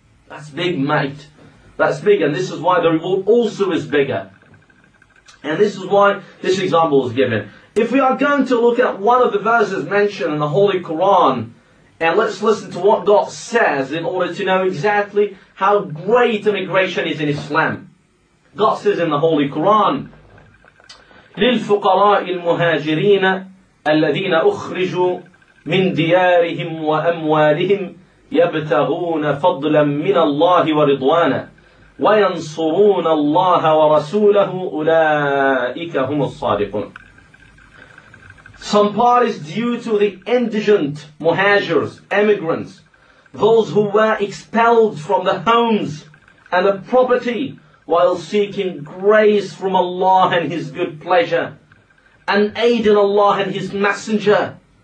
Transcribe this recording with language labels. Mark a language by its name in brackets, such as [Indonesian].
[English] That's big, mate. That's big, and this is why the reward also is bigger. And this is why this example is given. If we are going to look at one of the verses mentioned in the Holy Quran, and let's listen to what God says in order to know exactly how great immigration is in Islam. God says in the Holy Quran, [Arabic] لِلْفُقَرَاءِ الْمُهَاجِرِينَ الَّذِينَ أُخْرِجُوا مِنْ دِيَارِهِمْ وَأَمْوَالِهِمْ يَبْتَغُونَ فَضْلًا مِنَ اللَّهِ وَرِضْوَانًا وَيَنْصُرُونَ اللَّهَ وَرَسُولَهُ أُولَٰئِكَ هُمُ الصَّادِقُونَ. [English] Some part is due to the indigent muhajirs, emigrants, those who were expelled from the homes and the property while seeking grace from Allah and His good pleasure, and aid in Allah and His messenger.